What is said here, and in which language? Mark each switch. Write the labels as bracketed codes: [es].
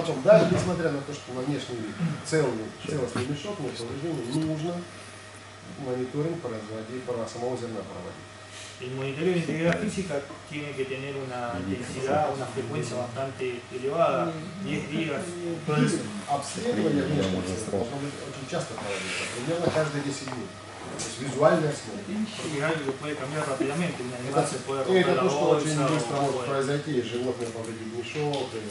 [ru] Потом, даже несмотря на то, что внешний вид целостный мешок, но повреждение нужно мониторинг производить, про самого зерна проводить. [es] El monitoreo de integridad física tiene que tener una intensidad, una frecuencia bastante elevada, 10 días. [ru] Обследование очень часто проводится, примерно каждые 10 дней. То есть визуальное смотрение. Это то, что очень быстро может произойти, и животное повредит мешок.